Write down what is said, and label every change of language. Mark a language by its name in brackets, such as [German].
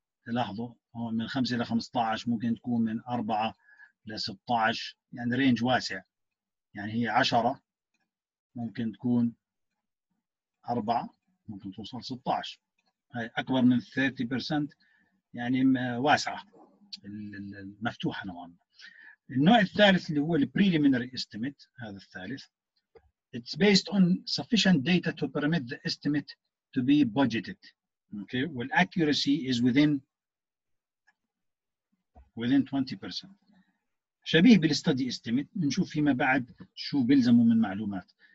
[Arabic] تلاحظوا هو من 5 إلى 15، ممكن تكون من 4 إلى 16، يعني رينج واسع. يعني هي 10 ممكن تكون 4 ممكن توصل 16، هاي أكبر من 30% يعني واسعة المفتوحة نوعا ما. النوع الثالث اللي هو [English] preliminary estimate، [Arabic] هذا الثالث [English] it's based on sufficient data to permit the estimate to be budgeted. Okay. Well, accuracy is within 20%. [Arabic] شبيه بالstudy estimate، نشوف فيما بعد شو بيلزموا من معلومات.